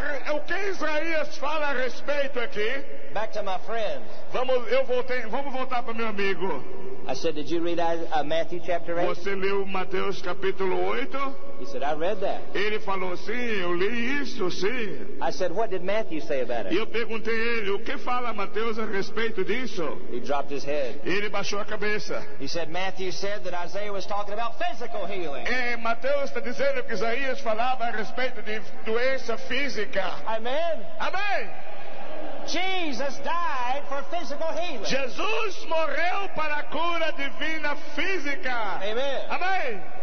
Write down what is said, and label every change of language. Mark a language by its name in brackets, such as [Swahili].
[Portuguese] O que Isaías fala a respeito aqui? [English] Back to my friend. [Portuguese] Vamos voltar para meu amigo. [English] I said, did you read Matthew chapter 8? [Portuguese] Você leu Mateus capítulo 8? [English] He said, I read that. [Portuguese] Ele falou, sim, eu li isso, sim. [English] I said, what did Matthew say about it? [Portuguese] E eu perguntei ele, o que fala Mateus a respeito disso? [English] He dropped his head. [Portuguese] Ele baixou a cabeça. [English] He said, Matthew said that Isaiah was talking about physical healing. [Portuguese] E Mateus está dizendo que Isaías falava a respeito de doença física. [English] Amen. [Portuguese] Amém. [English] Jesus died for physical healing. [Portuguese] Jesus morreu para a cura divina física. [English] Amen. [Portuguese] Amém.